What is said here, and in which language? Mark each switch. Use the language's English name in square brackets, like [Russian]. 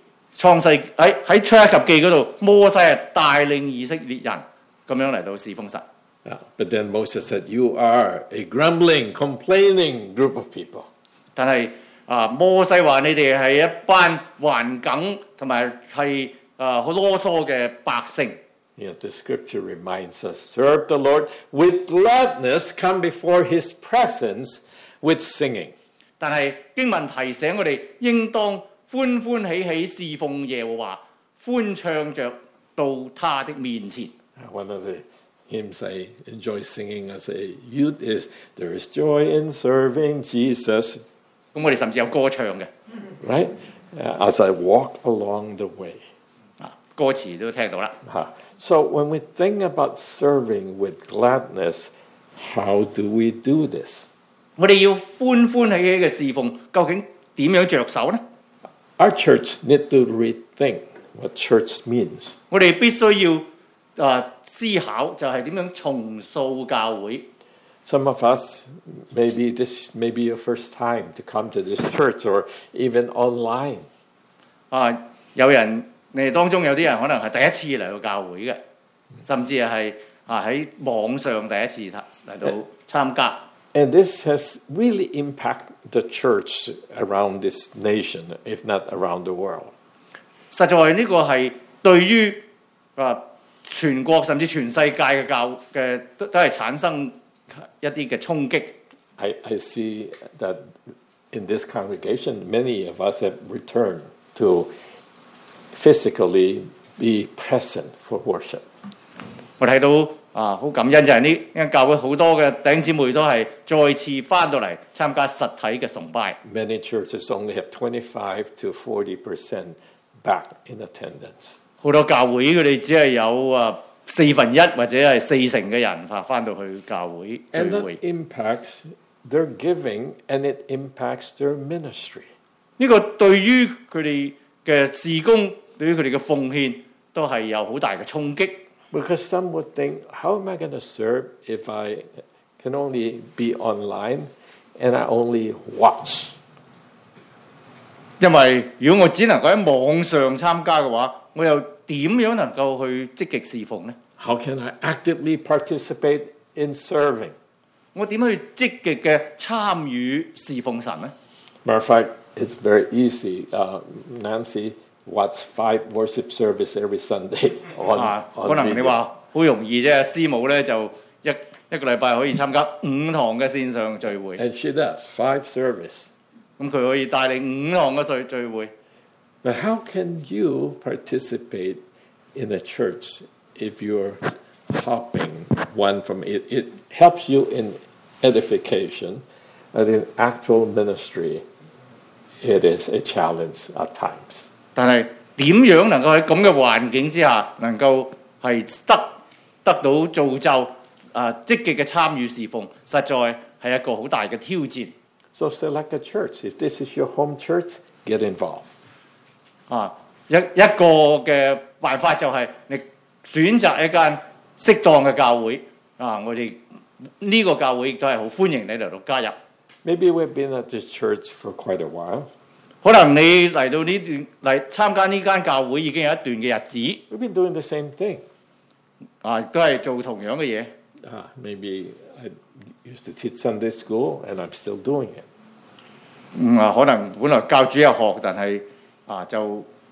[Chinese] 在出埃及记那里，摩西带领以色列人这样来到侍奉神。 [English] But then Moses said, You are a grumbling, complaining group of people. [Chinese] 但是摩西说你们是一班顽梗和很啰嗦的百姓。 [English] Yeah, the scripture reminds us, serve the Lord with gladness, come before his presence with singing. [Chinese] 但是经文提醒我们应当欢欢喜喜侍奉耶和华，欢唱着到他的面前。 [English] One of the hymns I enjoy singing as a youth is, there is joy in serving Jesus. [Chinese] 我们甚至有歌唱的。 [English] Right? As I walk along the way. [Chinese] 歌词都听到了。 [English] So when we think about serving with gladness, how do we do this? [Chinese] 我们要欢欢喜喜的侍奉，究竟怎样着手呢？ [English] Our church need to rethink what church means. [Chinese] 我们必须要思考就是怎样重塑教会。 [English] Some of us, maybe this may be your first time to come to this church or even online. [Chinese] 有人，你们当中有些人可能是第一次来到教会的，甚至是在网上第一次来到参加。 [English] And this has really impacted the church around this nation, if not around the world. [Chinese] 实在这个是对于全国甚至全世界的教的都是产生一些的冲击。 [English] I see that in this congregation, many of us have returned to physically be present for worship. [Chinese] 我看到很感恩，就是这个教会很多的弟兄姊妹都是再次回来参加实体的崇拜。 [English] Many churches only have 25 to 40% back in attendance. [Chinese] 很多教会他们只有四分一或者是四成的人回到教会聚会。 [English] And that impacts their giving and it impacts their ministry. [Chinese] 这个对于他们的事工，对于他们的奉献都是有很大的冲击。 [English] Because some would think, how am I going to serve if I can only be online and I only watch? [Chinese] 因为如果我只能够在网上参加的话，我又怎样能够去积极侍奉呢？ [English] How can I actively participate in serving? [Chinese] 我怎样去积极的参与侍奉神呢？ [English] Matter of fact, it's very easy. Nancy watch 5 worship service every Sunday on video. [Chinese] 可能你说很容易，师母就一个礼拜可以参加五堂的线上聚会。 [English] And she does, 5 service. [Chinese] 她可以带领五堂的聚会。 [English] But how can you participate in a church if you're hopping one from it? It helps you in edification, but in actual ministry, it is a challenge at times. [Chinese] 但是怎样能够在这样的环境之下能够是 得到造就积极的参与侍奉，实在是一个很大的挑战。 [English] So select a church. If this is your home church, get involved. [Chinese] 一个的办法就是你选择一间适当的教会，我们这个教会都是很欢迎你来到加入。 [English] Maybe we've been at this church for quite a while. [Chinese] 可能你来到这段来参加这间教会已经有一段的日子。 [English] We've been doing the same thing. [Chinese] 都是做同样的事。 [English] Maybe I used to teach Sunday school and I'm still doing it. [Chinese] 可能本来教主日学，但是就